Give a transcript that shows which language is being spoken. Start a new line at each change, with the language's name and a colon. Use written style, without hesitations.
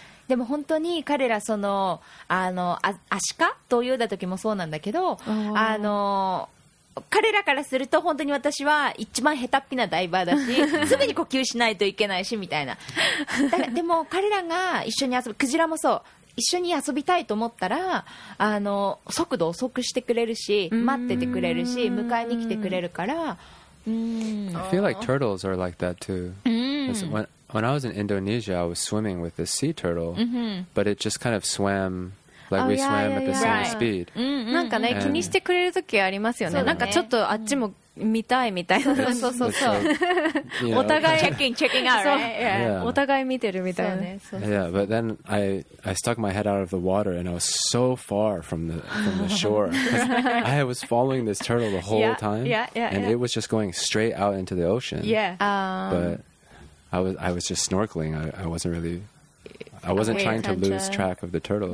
Japanese: でも本当に彼らそのあのアシカと泳いだ時もそうなんだけど、あの彼らからすると本当に私は一番下手っぴなダイバーだし、すぐに呼吸しないといけないしみたいな。だからでも彼らが一緒に遊ぶクジラもそう、一緒に遊びたいと思ったらあの速度遅くしてくれるし、待っててくれるし、迎えに来てくれるから。
English: I feel like turtles are like that too. When I was in Indonesia, I was swimming with a sea turtle, but it just kind of swam like we swam at the same speed.
Japanese: なんかね、気にしてくれる時ありますよね。なんかちょっとあっちも見たいみたいな。そうそうそう。お互いチェッキンアウト。お互い見てるみたいな。
English: Yeah, but then I stuck my head out of the water and I was so far from the shore. I was following this turtle the whole time. And it was just going straight out into the ocean. But I was just snorkeling. I wasn't trying to lose track of the turtle.